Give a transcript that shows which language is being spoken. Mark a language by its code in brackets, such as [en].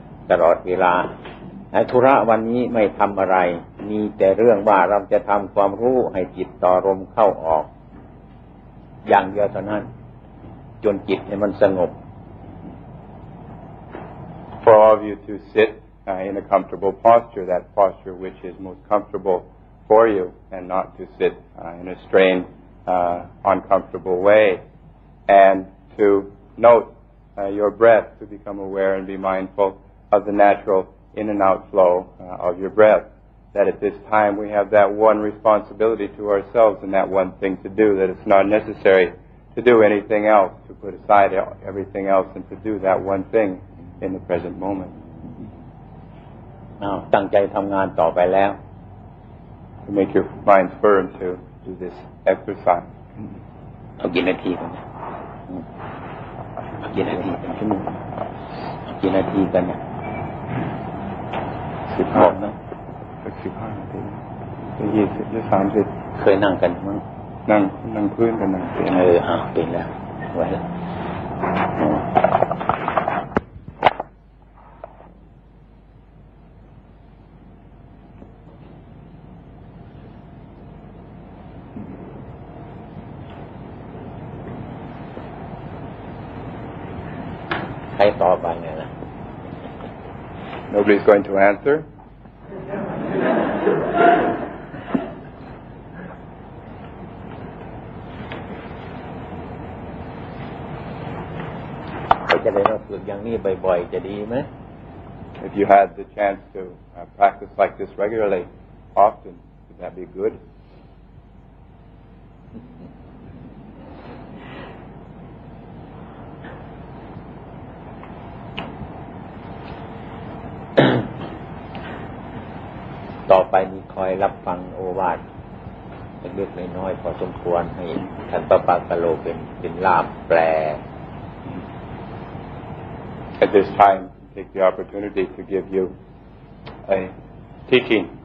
[th] ตลอดเวลาไอ้ธุระวันนี้ไม่ทำอะไรมีแต่เรื่องว่าเราจะทำความรู้ให้จิตต่อลมเข้าออกอย่างเดียวเท่านั้นจนจิตให้มันสงบ [en] For all of you to sit in a comfortable posture, that posture which is most comfortable for you, and not to sit in a strained, uncomfortable way, and to note your breath, to become aware and be mindful of the natural in and out flow of your breath. That at this time we have that one responsibility to ourselves and that one thing to do, that it's not necessary to do anything else, to put aside everything else and to do that one thing in the present moment. Now, [th] ตั้งใจทำงานต่อไปแล้ว [en] To make your mind firm to do this exercise. [th] เอากี่นาทีกันเอากี่นาทีกันชั่วโมงเอากี่นาทีกันเนี่ย สิบห้านะสักสิบห้านาทีจะยี่สิบจะสามสิบ เคยนั่งกันมั้ง นั่งพื้นกันนั่ง เป็นเออเป็นแล้วไว้แล้ว ใครตอบไปเนี่ยนะ [en] Nobody's going to answer. [th] จะได้มาฝึกอย่างนี้บ่อยๆจะดีไหม [en] If you had the chance to practice like this regularly, often, would that be good? [th] ต่อไปมีคอยรับฟังโอวาทเล็กๆน้อยๆพอสมควรให้ท่านพระปาคโลเป็นล่ามแปล [en] At this time take the opportunity to give you a teaching